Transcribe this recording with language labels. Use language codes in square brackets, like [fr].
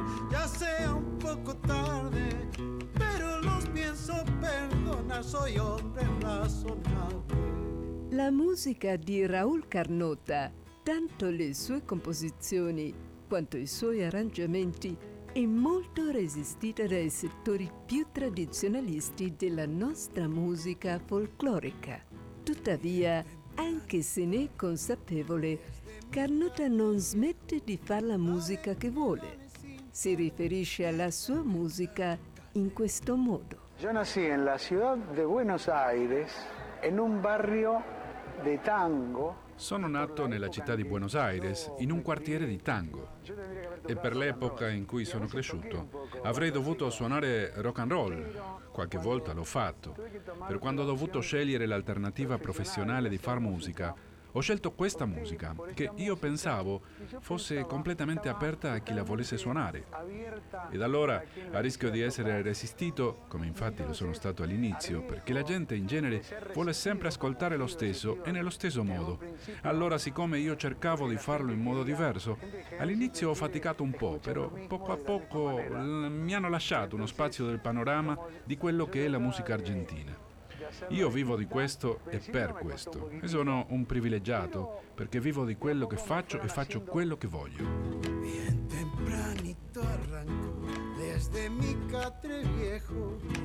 [es] Ya sea un poco tarde, pero los pienso perdonar, soy hombre razonable. [it] La musica di Raul Carnota, tanto le sue composizioni quanto i suoi arrangiamenti, è molto resistita dai settori più tradizionalisti della nostra musica folclorica. Tuttavia, anche se ne è consapevole, Carnota non smette di fare la musica che vuole. Si riferisce alla sua musica in questo modo. [es] Io nací en la ciudad de Buenos Aires, en un barrio de tango. [it] Sono nato nella città di Buenos Aires, in un quartiere di tango. E per l'epoca in cui sono cresciuto, avrei dovuto suonare rock and roll. Qualche volta l'ho fatto. Per quando ho dovuto scegliere l'alternativa professionale di far musica, ho scelto questa musica, che io pensavo fosse completamente aperta a chi la volesse suonare. Ed allora, a rischio di essere resistito, come infatti lo sono stato all'inizio, perché la gente in genere vuole sempre ascoltare lo stesso e nello stesso modo. Allora, siccome io cercavo di farlo in modo diverso, all'inizio ho faticato un po', però poco a poco mi hanno lasciato uno spazio del panorama di quello che è la musica argentina. Io vivo di questo e per questo. E sono un privilegiato perché vivo di quello che faccio e faccio quello che voglio. [es] Bien tempranito arranco desde mi catre viejo.